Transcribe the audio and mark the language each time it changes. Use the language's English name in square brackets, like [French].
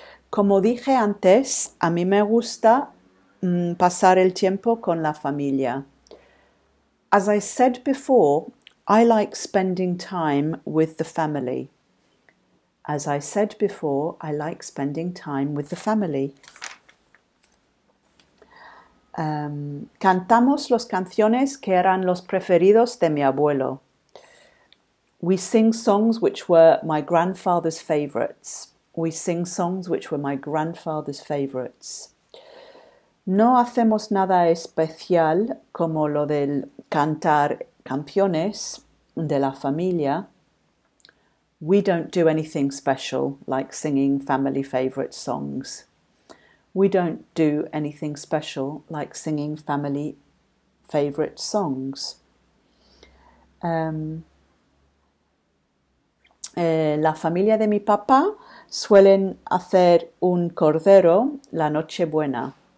[Spanish] Como dije antes, a mí me gusta pasar el tiempo con la familia. [English] As I said before, I like spending time with the family. As I said before, I like spending time with the family. [Spanish] Cantamos las canciones que eran los preferidos de mi abuelo. [English] We sing songs which were my grandfather's favorites. We sing songs which were my grandfather's favorites. [Spanish] No hacemos nada especial como lo del cantar canciones de la familia. [English] We don't do anything special like singing family favorite songs. We don't do anything special like singing family favorite songs. [Spanish] La familia de mi papá suelen hacer un cordero la noche buena.